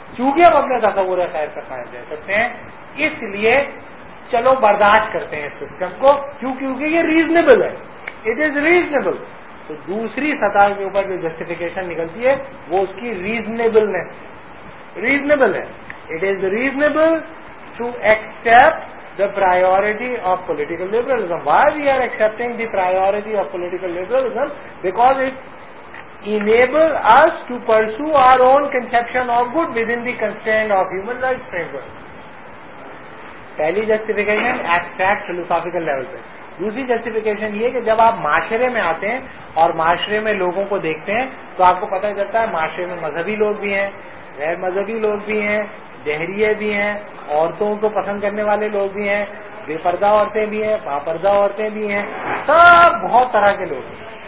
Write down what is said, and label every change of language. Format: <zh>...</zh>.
<ur>چونکہ ہم اپنے تصور خیر پہ قائم رہ سکتے ہیں اس لیے چلو برداشت کرتے ہیں اس سسٹم کو, کیونکہ یہ ریزنیبل ہے,</ur> <en>It is reasonable.</en> <ur>تو دوسری سطح کے اوپر جو جسٹیفیکیشن نکلتی ہے وہ اس کی ریزنیبلنس, ریزنیبل ہے,</ur> <en>It is reasonable to accept the priority of political liberalism. Why we are accepting the priority of political liberalism? Because it enables us to pursue our own conception of good within the constraint of human rights framework.</en> <ur>پہلی justification abstract philosophical level پہ. دوسری justification یہ کہ جب آپ معاشرے میں آتے ہیں اور معاشرے میں لوگوں کو دیکھتے ہیں تو آپ کو پتہ چلتا ہے معاشرے میں مذہبی لوگ بھی ہیں, غیر مذہبی لوگ بھی ہیں, دہریے بھی ہیں, عورتوں کو پسند کرنے والے لوگ بھی ہیں, بے پردہ عورتیں بھی ہیں, پاپردہ عورتیں بھی ہیں, سب بہت طرح کے لوگ ہیں.</ur>